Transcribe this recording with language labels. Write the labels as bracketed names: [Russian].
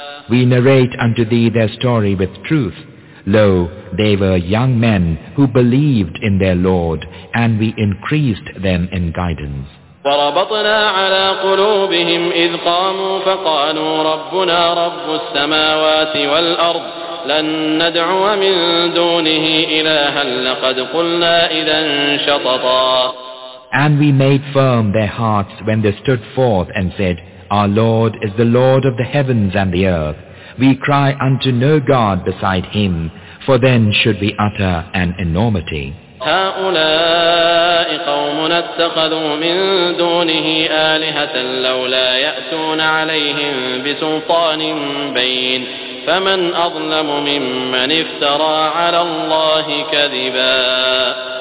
[English] We narrate unto thee their story with truth. Lo, they were young men who believed in their Lord, and we increased them in guidance. [Arabic] وربطنا على قلوبهم إذ قاموا فقالوا ربنا رب السماوات والأرض لن ندعو من دونه إلها لقد قلنا إذا شططا. [English] And we made firm their hearts when they stood forth and said, Our Lord is the Lord of the heavens and the earth. We cry unto no God beside him, for then should we utter an enormity. [Arabic] هؤلاء قومنا اتخذوا من دونه آلهة لولا يأتون عليهم بسلطان بين فمن أظلم ممن افترى على الله كذبا.